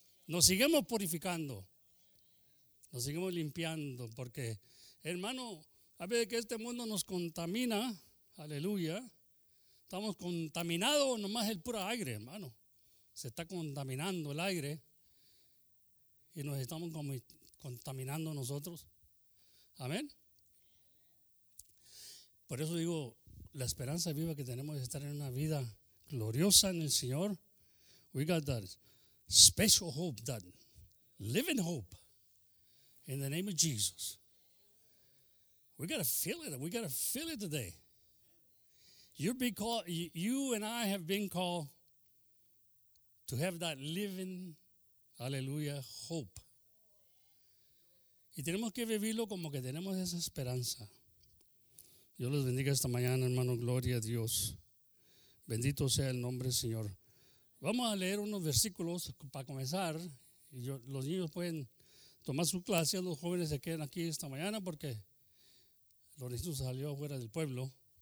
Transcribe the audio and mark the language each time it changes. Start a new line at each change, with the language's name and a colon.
Spanish: Nos sigamos purificando. Nos sigamos limpiando porque, hermano, a veces que este mundo nos contamina, aleluya, estamos contaminados, nomás el puro aire, hermano. Se está contaminando el aire y nos estamos contaminando nosotros. Amén. Por eso digo, la esperanza viva que tenemos es estar en una vida gloriosa en el Señor.
English: We got that special hope, that living hope in the name of Jesus. We got to feel it. We got to feel it today. You and I have been called to have that living, hallelujah, hope.
Spanish: Y tenemos que vivirlo como que tenemos esa esperanza. Dios los bendiga esta mañana, hermano. Gloria a Dios. Bendito sea el nombre, Señor. Vamos a leer unos versículos para comenzar. Y yo, los niños pueden tomar su clase. Los jóvenes se quedan aquí esta mañana porque Lorenzo salió fuera del pueblo.